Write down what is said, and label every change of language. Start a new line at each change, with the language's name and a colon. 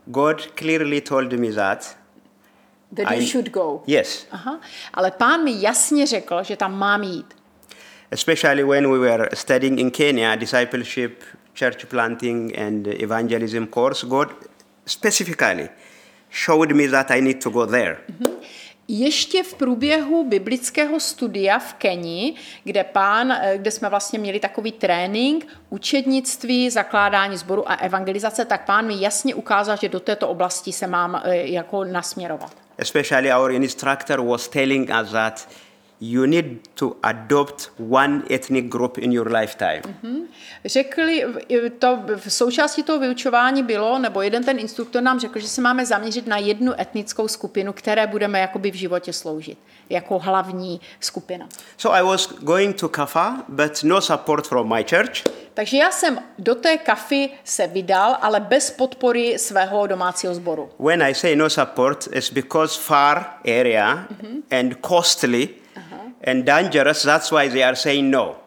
English: God clearly told me that you should go. Yes. Aha.
Czech: Ale Pán mi jasně řekl, že tam mám jít.
English: Especially when we were studying in Kenya, discipleship, church planting and evangelism course, God specifically showed me that I need to go there.
Czech: Ještě v průběhu biblického studia v Kenii, kde jsme vlastně měli takový trénink, učednictví, zakládání sboru a evangelizace, tak Pán mi jasně ukázal, že do této oblasti se mám jako nasměrovat.
English: Especially our instructor was telling us that you need to adopt one ethnic group in your lifetime. Mm-hmm.
Czech: Řekli, to v součástí toho vyučování bylo, nebo jeden ten instruktor nám řekl, že se máme zaměřit na jednu etnickou skupinu, které budeme jakoby v životě sloužit, jako hlavní skupina.
English: So I was going to Kafa, but no support from my church.
Czech: Takže já jsem do té Kafy se vydal, ale bez podpory svého domácího sboru.
English: When I say no support, it's because far area and costly, and dangerous, that's why they are saying no.